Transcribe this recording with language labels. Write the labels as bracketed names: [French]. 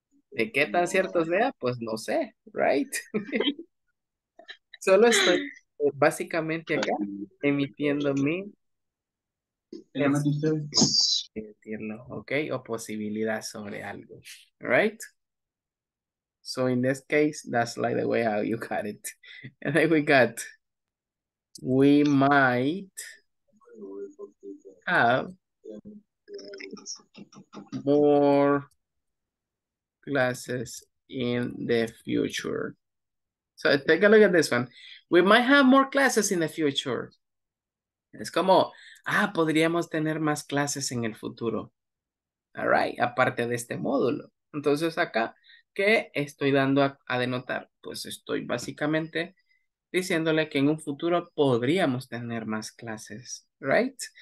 [Spanish] ¿De qué tan cierto sea? Pues no sé, right? Solo estoy básicamente acá emitiendo mi decirlo, okay, o posibilidad sobre algo, right? [English] So in this case, that's like the way how you got it. And then we might have more classes in the future. So take a look at this one. We might have more classes in the future. [Spanish] Es como, podríamos tener más clases en el futuro. All right, aparte de este módulo. Entonces acá, ¿qué estoy dando a denotar? Pues estoy básicamente diciéndole que en un futuro podríamos tener más clases, right?